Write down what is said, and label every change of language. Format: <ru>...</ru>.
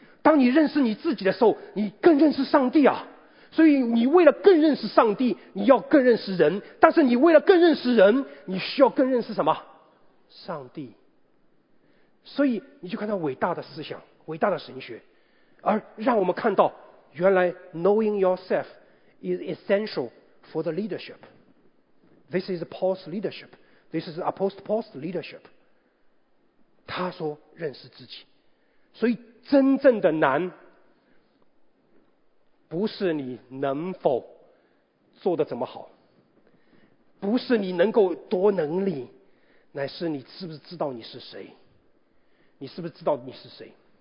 <zh>当你认识你自己的时候，你更认识上帝啊。所以你为了更认识上帝，你要更认识人，但是你为了更认识人，你需要更认识什么？上帝。所以你就看到伟大的思想，伟大的神学，而让我们看到原来</zh> <en>knowing yourself is essential for the leadership. This is Paul's leadership. This is Apostle Paul's leadership.</en> <zh>他说认识自己。所以真正的难不是你能否做得怎么好，不是你能够多能力，乃是你是不是知道你是谁，你是不是知道你是谁。</zh>